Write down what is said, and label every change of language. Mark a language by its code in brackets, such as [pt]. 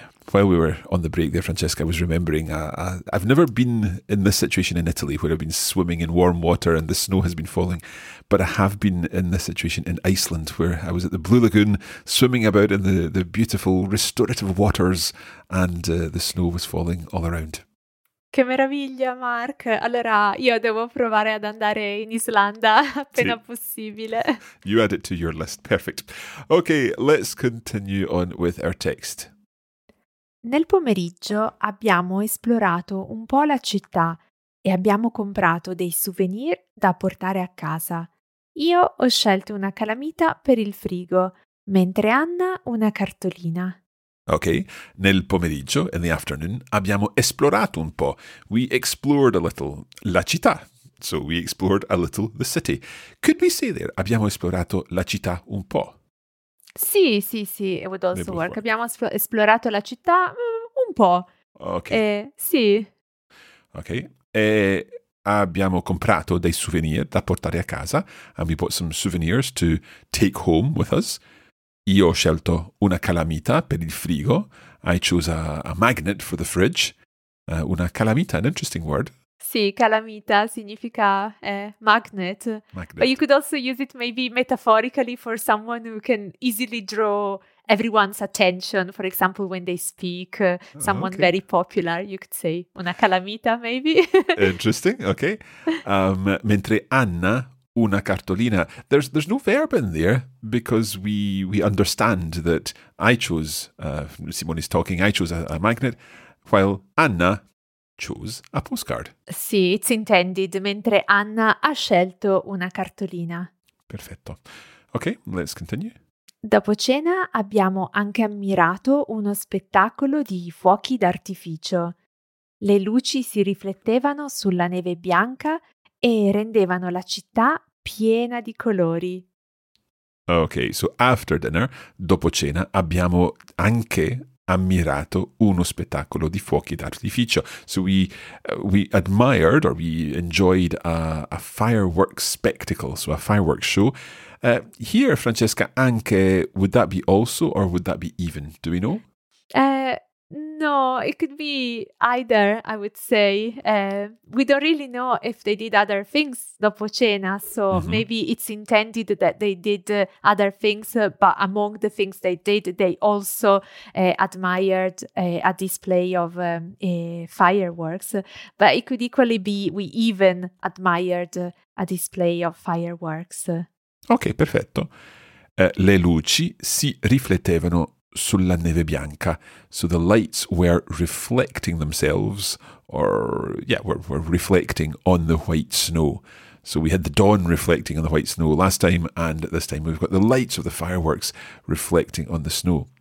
[en] While we were on the break there, Francesca, I was remembering, I've never been in this situation in Italy, where I've been swimming in warm water and the snow has been falling, but I have been in this situation in Iceland, where I was at the Blue Lagoon, swimming about in the beautiful restorative waters, and the snow was falling all around. [it] Che meraviglia, Mark! Allora, io devo provare ad andare in Islanda appena sì. possibile. [en] You add it to your list. Perfect. Okay, let's continue on with our text. [it] Nel pomeriggio abbiamo esplorato un po' la città e abbiamo comprato dei souvenir da portare a casa. Io ho scelto una calamita per il frigo, mentre Anna una cartolina. Ok, nel pomeriggio, [en] in the afternoon, [it] abbiamo esplorato un po'. [en] We explored a little [it] la città. [en] So we explored a little the city. Could we say there, [it] abbiamo esplorato la città un po'? [en] Sì, sì, sì, it would also work. [it] Abbiamo esplorato la città un po'. Ok. Sì. Ok. Abbiamo comprato dei souvenir da portare a casa. [en] And we bought some souvenirs to take home with us. [it] Io ho scelto una calamita per il frigo. [en] I chose a magnet for the fridge. Una calamita, an interesting word. [it] Sì, calamita significa magnet. [en] Magnet. But you could also use it maybe metaphorically for someone who can easily draw everyone's attention. For example, when they speak, someone okay. very popular, you could say una calamita maybe. [it] Interesting, okay. Mentre Anna... Una cartolina. [en] There's no verb in there because we understand that I chose, Simone is talking, I chose a magnet, while Anna chose a postcard. [it] Sì, [en] it's intended, [it] mentre Anna ha scelto una cartolina. [en] Perfetto. Ok, let's continue. [it] Dopo cena abbiamo anche ammirato uno spettacolo di fuochi d'artificio. Le luci si riflettevano sulla neve bianca e rendevano la città piena di colori. [en] Ok, so after dinner, [it] dopo cena, abbiamo anche ammirato uno spettacolo di fuochi d'artificio. [en] So we admired or we enjoyed a fireworks spectacle, so a fireworks show. Here, Francesca, anche, would that be also or would that be even? Do we know? No, it could be either, I would say. We don't really know if they did other things [it] dopo cena, [en] so maybe it's intended that they did other things, but among the things they did, they also admired a display of fireworks. But it could equally be we even admired a display of fireworks. [it] Ok, perfetto. Le luci si riflettevano sulla neve bianca. [en] So the lights were reflecting themselves, were reflecting on the white snow. So we had the dawn reflecting on the white snow last time, and this time we've got the lights of the fireworks reflecting on the snow.